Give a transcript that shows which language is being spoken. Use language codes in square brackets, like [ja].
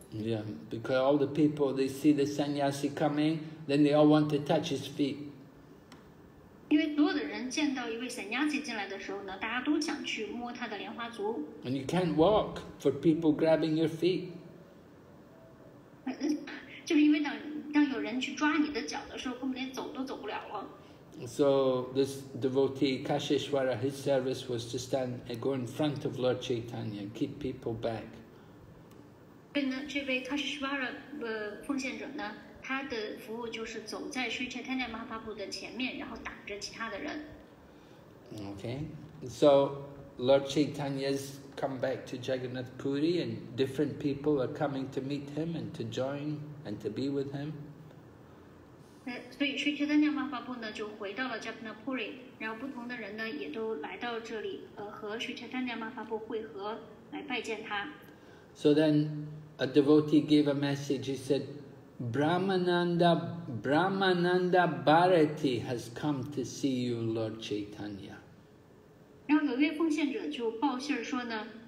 [en] Yeah, because all the people they see the sannyasi coming, then they all want to touch his feet. [zh] 因为所有的人见到一位 sannyasi 进来的时候呢，大家都想去摸他的莲花足。 [en] And you can't walk for people grabbing your feet. [zh] 就是因为当有人去抓你的脚的时候，根本连走都走不了了。 [en] So this devotee Kashishvara, his service was to stand and go in front of Lord Chaitanya and keep people back. [zh] 所以呢，这位 Kashishvara 奉献者呢，他的服务就是走在 Sri Chaitanya Mahaprabhu 的前面，然后挡着其他的人。 [en] Okay, so Lord Chaitanya's come back to Jagannath Puri, and different people are coming to meet him and to join and to be with him. [zh] 所以 Sri Chaitanya Mahaprabhu 呢就回到了 Jagannath Puri， 然后不同的人呢也都来到这里，和 Sri Chaitanya Mahaprabhu 会合来拜见他。 [en] So then a devotee gave a message. He said, Brahmananda Bharati has come to see you, Lord Chaitanya. [zh] 然后有一位奉献者就报信说呢，